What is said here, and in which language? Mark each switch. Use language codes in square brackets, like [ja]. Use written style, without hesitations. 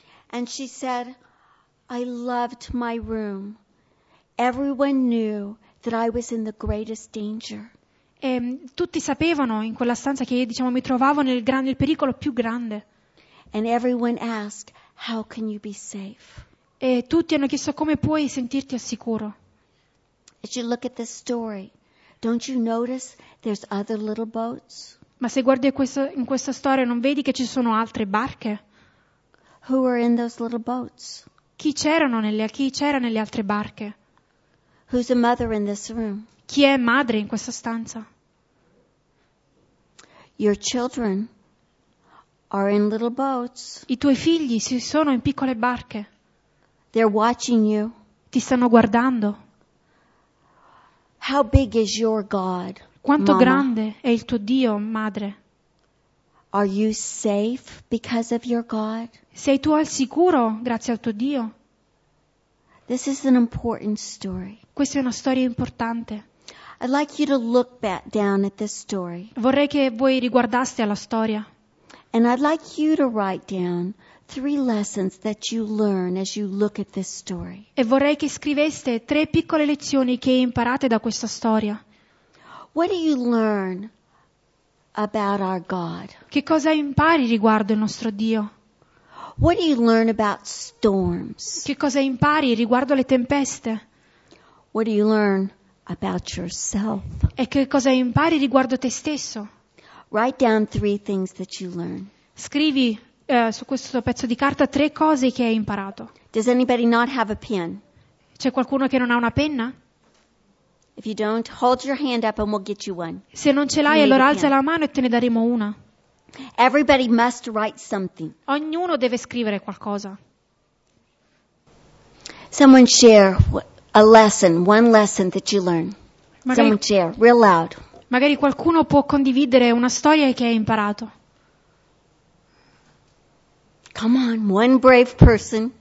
[en] And she said, I loved my room. Everyone knew that I was in the greatest danger. [it] E tutti sapevano in quella stanza che io, diciamo, mi trovavo nel pericolo più grande. [en] And everyone asked, how can you be safe? [it] E tutti hanno chiesto, come puoi sentirti al sicuro? [en] As you look at this story, don't you notice there's other little boats? [it] Ma se guardi in questa storia, non vedi che ci sono altre barche? [en] Who are in those little boats? [it] Chi c'era nelle altre barche? [en] Who's a mother in this room? [it] Chi è madre in questa stanza? [en] Your children are in little boats. [it] I tuoi figli si sono in piccole barche. [en] They're watching you. [it] Ti stanno guardando. [en] How big is your God? [it] Quanto mama? Grande è il tuo Dio, madre? [en] Are you safe because of your God? [it] Sei tu al sicuro grazie al tuo Dio? [en] This is an important story. [it] Questa è una storia importante. [en] I'd like you to look back down at this story. [it] Vorrei che voi riguardaste alla storia. [en] And I'd like you to write down three lessons that you learn as you look at this story. [it] E vorrei che scriveste tre piccole lezioni che imparate da questa storia. [en] What do you learn about our God? [it] Che cosa impari riguardo il nostro Dio? [en] What do you learn about storms? [it] Che cosa impari riguardo le tempeste? [en] What do you learn about yourself? [it] E che cosa impari riguardo te stesso? [en] Write down three things that you learn. [it] Scrivi su questo pezzo di carta tre cose che hai imparato. [en] Does anybody not have a pen? [it] C'è qualcuno che non ha una penna? [en] If you don't, hold your hand up and we'll get you one. [it] Se non ce l'hai, allora alza la mano e te ne daremo una. [en] Everybody must write something. [it] Ognuno deve scrivere qualcosa. [en] Someone share a lesson, one lesson that you learn. Someone share, real loud. [it] Magari qualcuno può condividere una storia che hai imparato. [en] Come on, one brave person.